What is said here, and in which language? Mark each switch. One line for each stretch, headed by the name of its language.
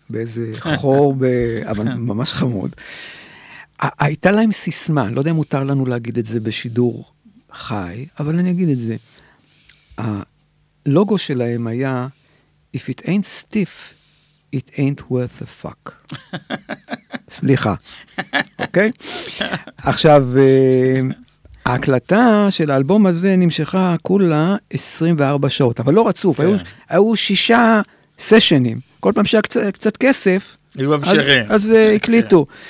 Hebrew: באיזה חור, אבל ממש חמוד. הייתה להם סיסמה, לא יודע אם מותר לנו להגיד את זה בשידור חי, אבל אני אגיד את זה. הלוגו שלהם היה,
English: If it ain't stiff, it ain't worth the fuck.
Hebrew: סליחה, אוקיי?
English: Okay?
Hebrew: עכשיו, ההקלטה של האלבום הזה נמשכה כולה 24 שעות, אבל לא רצוף, yeah. היו שישה סשנים. כל פעם שהיה קצת כסף, אז הקליטו.